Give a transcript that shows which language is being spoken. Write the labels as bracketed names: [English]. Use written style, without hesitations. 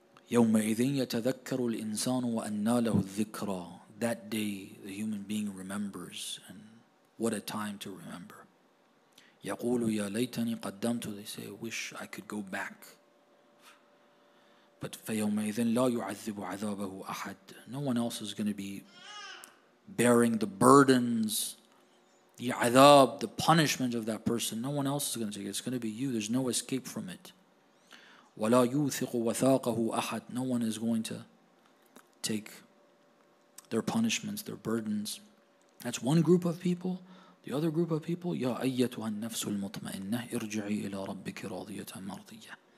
[Arabic] يَوْمَئِذٍ يَتَذَكَّرُ الْإِنسَانُ وَأَنَّا لَهُ الذِّكْرَى. [English] That day the human being remembers, and what a time to remember. [Arabic] يَقُولُ يَا لَيْتَنِي قَدَّمْتُ. [English] They say, I wish I could go back. But [Arabic] فَيَوْمَئِذٍ لَا يُعَذِّبُ عَذَابَهُ أَحَدٍ. [English] No one else is going to be bearing the burdens, the عذاب, the punishment of that person. No one else is going to take it. It's going to be you. There's no escape from it. [Arabic] وَلَا يُوثِقُ وَثَاقَهُ أَحَدٍ. [English] No one is going to take their punishments, their burdens. That's one group of people. The other group of people, [Arabic] يَا أَيَّتُهَا النَّفْسُ الْمُطْمَئِنَّةِ اِرْجِعِي إِلَىٰ رَبِّكِ رَاضِيَةً مَرْضِيَّةً.